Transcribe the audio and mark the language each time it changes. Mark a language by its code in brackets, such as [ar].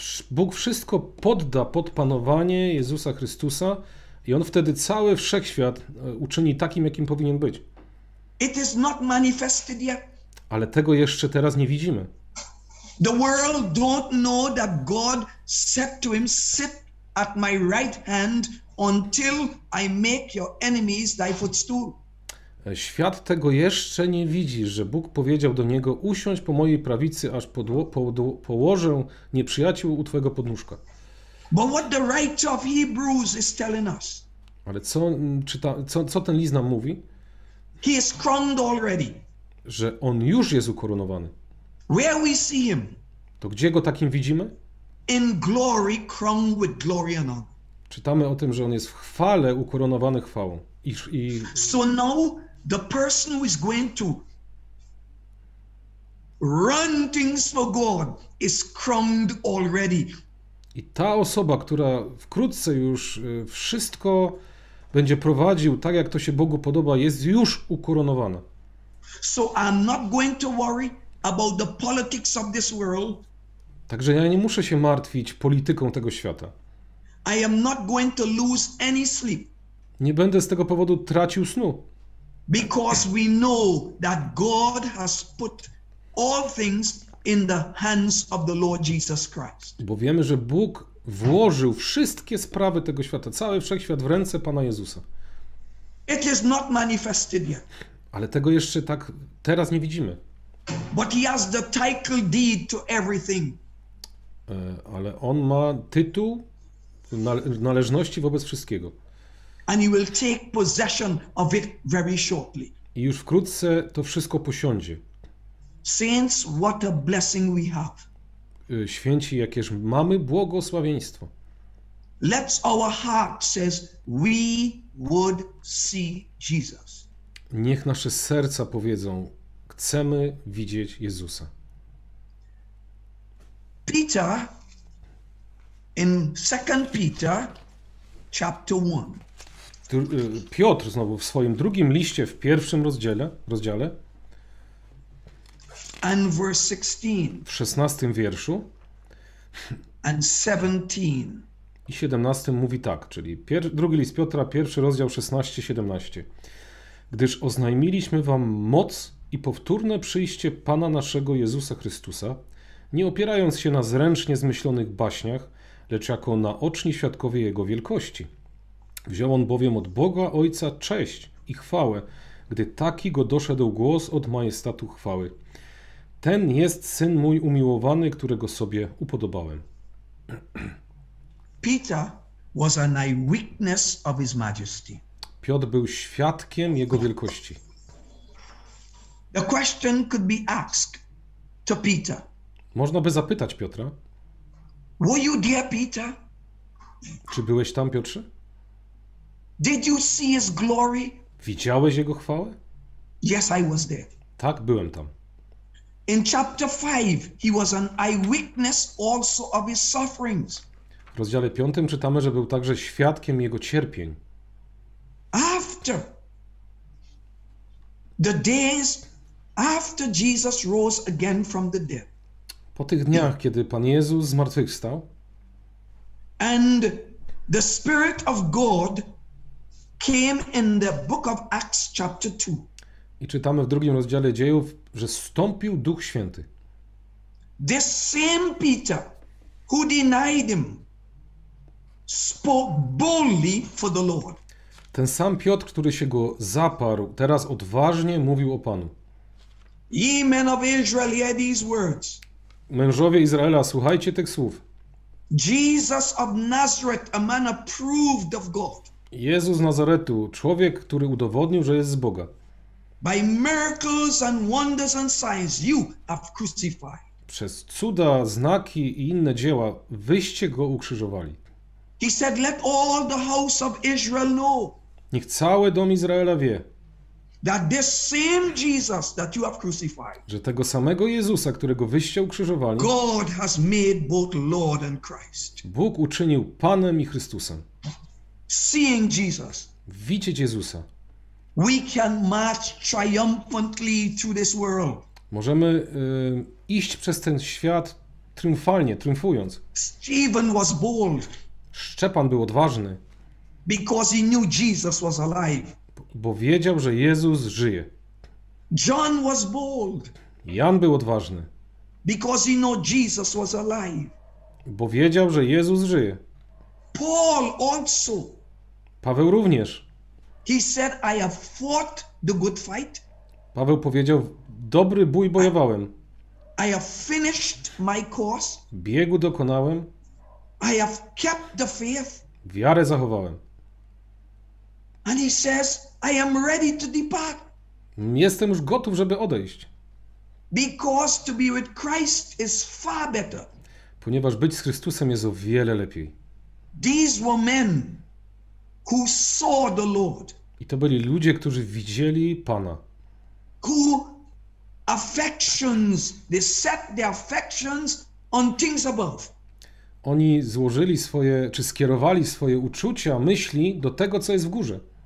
[pl] Bóg wszystko podda pod panowanie Jezusa Chrystusa i on wtedy cały wszechświat uczyni takim, jakim powinien być. [en] It is not manifested yet. [pl] Ale tego jeszcze teraz nie widzimy. [en] The world don't know that God said to him, sit at my right hand until I make your enemies thy footstool. [pl] Świat tego jeszcze nie widzi, że Bóg powiedział do niego, usiądź po mojej prawicy, aż położę nieprzyjaciół u twojego podnóżka. [en] But what the writer of Hebrews is telling us? [pl] Ale co ten list nam mówi? [en] He is crowned already. [pl] Że on już jest ukoronowany. [en] Where we see him? [pl] To gdzie go takim widzimy? [en] In glory, crowned with glory and honor. [pl] Czytamy o tym, że on jest w chwale ukoronowany chwałą. [en] So now the person who is going to run things for God is crowned already. [pl] I ta osoba, która wkrótce już wszystko będzie prowadził tak, jak to się Bogu podoba, jest już ukoronowana. [en] So I'm not going to worry about the politics of this world. [pl] Także ja nie muszę się martwić polityką tego świata. [en] I am not going to lose any sleep. [pl] Nie będę z tego powodu tracił snu. [en] Because we know that God has put all things in the hands of the Lord Jesus Christ. [pl] Bo wiemy, że Bóg włożył wszystkie sprawy tego świata, cały wszechświat w ręce Pana Jezusa. [en] It is not manifested yet. [pl] Ale tego jeszcze tak teraz nie widzimy. [en] But he has the title deed to everything. [pl] Ale on ma tytuł należności wobec wszystkiego. [en] And he will take possession of it very shortly. [pl] I już wkrótce to wszystko posiądzie. [en] Saints, what a blessing we have. [pl] Święci, jakież mamy błogosławieństwo. [en] Let's our heart says we would see Jesus. [pl] Niech nasze serca powiedzą, chcemy widzieć Jezusa. [en] Peter in 2 Peter chapter 1. [pl] Piotr znowu w swoim drugim liście, w pierwszym rozdziale [en] and verse 16, [pl] w 16 wierszu [en] and 17. [pl] I 17 mówi tak, czyli drugi list Piotra, pierwszy rozdział 16-17. Gdyż oznajmiliśmy wam moc i powtórne przyjście Pana naszego Jezusa Chrystusa, nie opierając się na zręcznie zmyślonych baśniach, lecz jako naoczni świadkowie Jego wielkości. Wziął on bowiem od Boga Ojca cześć i chwałę, gdy taki go doszedł głos od majestatu chwały. Ten jest Syn mój umiłowany, którego sobie upodobałem. [en] Peter was an eyewitness of his majesty. [pl] Piotr był świadkiem jego wielkości. [en] The question could be asked to Peter. [pl] Można by zapytać Piotra. [en] Were you there, Peter? [pl] Czy byłeś tam, Piotrze? [en] Did you see his glory? [pl] Widziałeś jego chwałę? [en] Yes, I was there. [pl] Tak, byłem tam. [en] In chapter 5, he was an eyewitness also of his sufferings. [pl] W rozdziale 5 czytamy, że był także świadkiem jego cierpień. [en] After the days after Jesus rose again from the dead. [pl] Po tych dniach, kiedy Pan Jezus zmartwychwstał. [en] And the Spirit of God came in the book of Acts chapter 2. [pl] I czytamy w drugim rozdziale Dziejów, że zstąpił Duch Święty. [en] This same Peter who denied him spoke boldly for the Lord. [pl] Ten sam Piotr, który się go zaparł, teraz odważnie mówił o Panu. [en] Ye men of Israel, hear these words. [pl] Mężowie Izraela, słuchajcie tych słów. [en] Jesus of Nazareth, a man approved of God. [pl] Jezus Nazaretu, człowiek, który udowodnił, że jest z Boga. [en] By miracles and wonders and signs you have crucified. [pl] Przez cuda, znaki i inne dzieła wyście go ukrzyżowali. [en] He said, let all the house of Israel know. [pl] Niech cały dom Izraela wie. [en] That this same Jesus that you have crucified. [pl] Że tego samego Jezusa, którego wyście ukrzyżowali. [en] God has made both Lord and Christ. [pl] Bóg uczynił Panem i Chrystusem. [en] Seeing Jesus. [pl] Widzieć Jezusa. [en] We can march triumphantly through this world. [pl] Możemy iść przez ten świat triumfalnie, triumfując. [en] Stephen was bold. [pl] Szczepan był odważny. [en] Because he knew Jesus was alive. [pl] Bo wiedział, że Jezus żyje. [en] John was bold. [pl] Jan był odważny. [en] Because he knew Jesus was alive. [pl] Bo wiedział, że Jezus żyje. [en] Paul also. [pl] Paweł również. [en] He said, I have fought the good fight. [pl] Paweł powiedział, dobry bój bojowałem. [en] I have finished my course. [pl] Biegu dokonałem. [en] I have kept the faith. [pl] Wiarę zachowałem. [en] And he says, I am ready to depart. [pl] Jestem już gotów, żeby odejść. [en] Because to be with Christ is far better. [pl] Ponieważ być z Chrystusem jest o wiele lepiej. [en] These were men who saw the Lord. [pl] I to byli ludzie, którzy widzieli Pana. [en] Who affections, they set their affections on things above. [pl] Oni złożyli swoje, czy skierowali swoje uczucia, myśli do tego, co jest w górze.